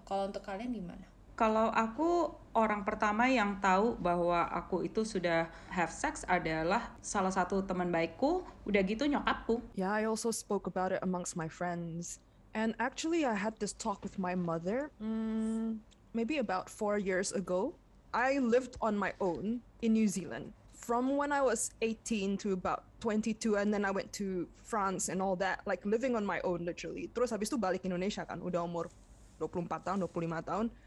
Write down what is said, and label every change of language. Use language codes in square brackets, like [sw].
[id] Kalau untuk kalian gimana? Kalau aku, orang pertama yang tahu bahwa aku itu sudah [en] have sex [id] adalah salah satu teman baikku, udah gitu nyokapku. [en] Yeah, I also spoke about it amongst my friends. And actually, I had this talk with my mother, maybe about 4 years ago. I lived on my own in New Zealand from when I was 18 to about 22, and then I went to France and all that, like living on my own literally. [id] Terus habis itu balik Indonesia kan, udah umur 24 tahun, 25 tahun.